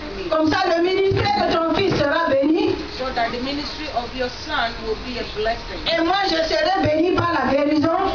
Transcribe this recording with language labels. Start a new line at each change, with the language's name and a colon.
French: Comme ça, le ministère de ton fils sera béni.
English: So that the ministry of your son will be a blessing.
French: Et moi, je serai béni par la guérison.